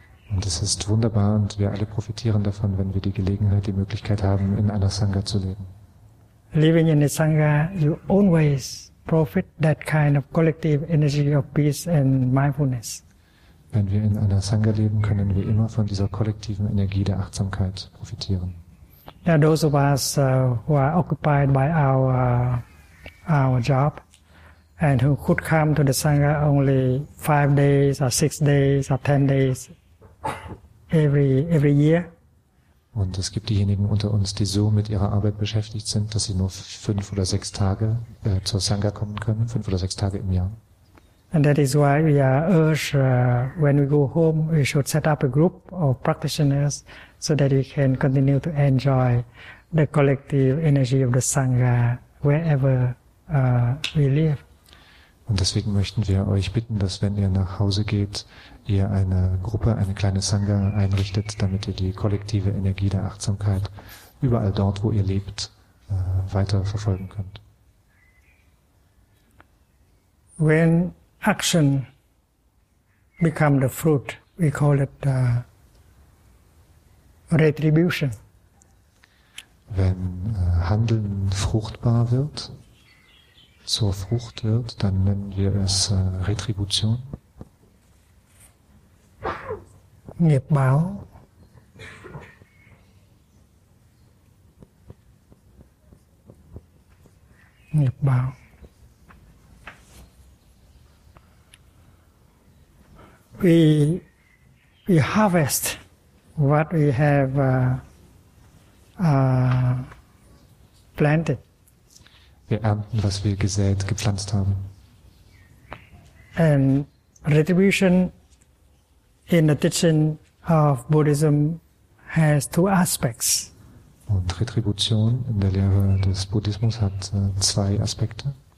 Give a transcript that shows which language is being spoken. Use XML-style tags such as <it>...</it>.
<de>Und es ist wunderbar und wir alle profitieren davon, wenn wir die Gelegenheit, die Möglichkeit haben, in einer Sangha zu leben.</de> <en>Living in a Sangha, you always profit that kind of collective energy of peace and mindfulness.</en> <de>Wenn wir in einer Sangha leben, können wir immer von dieser kollektiven Energie der Achtsamkeit profitieren.</de> <en>Now those of us who are occupied by our job and who could come to the Sangha only 5 days or 6 days or 10 days, Every year.</en> <de>Und es gibt diejenigen unter uns, die so mit ihrer Arbeit beschäftigt sind, dass sie nur 5 oder 6 Tage zur Sangha kommen können, 5 oder 6 Tage im Jahr.</de> <en>And that is why we are urged, when we go home, we should set up a group of practitioners so that we can continue to enjoy the collective energy of the Sangha wherever we live.</en> <de>Und deswegen möchten wir euch bitten, dass wenn ihr nach Hause geht, ihr eine Gruppe, eine kleine Sangha einrichtet, damit ihr die kollektive Energie der Achtsamkeit überall dort, wo ihr lebt, weiter verfolgen könnt.</de> <en>When action become the fruit, we call it retribution.</en> <de>Wenn Handeln fruchtbar wird, zur Frucht wird, dann nennen wir es Retribution.</de> <vi>Nghiệp báo. Nghiệp báo.</vi> <en>We harvest what we have planted.</en> <de>Wir ernten, was wir gesät, gepflanzt haben.</de> <en>And retribution in the teaching of Buddhism has two aspects.</en> <de>Und Retribution in der Lehre des Buddhismus hat zwei Aspekte.</de>